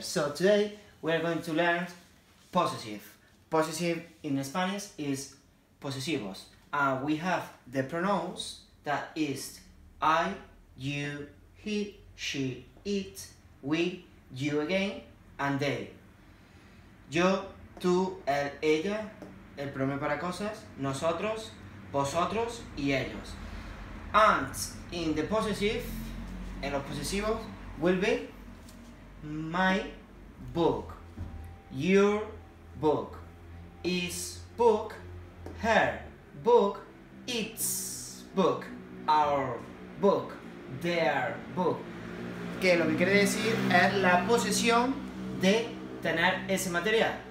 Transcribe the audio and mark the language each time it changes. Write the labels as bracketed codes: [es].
[en] So today we are going to learn possessive. Possessive in Spanish is possessivos. We have the pronouns that is I, you, he, she, it, we, you again, and they. [es] Yo, tú, él, ella, el pronombre para cosas, nosotros, vosotros y ellos. [en] And in the possessive, [es] en los posesivos, [en] will be my book, your book, his book, her book, its book, our book, their book. [es] Que lo que quiere decir es la posesión de tener ese material.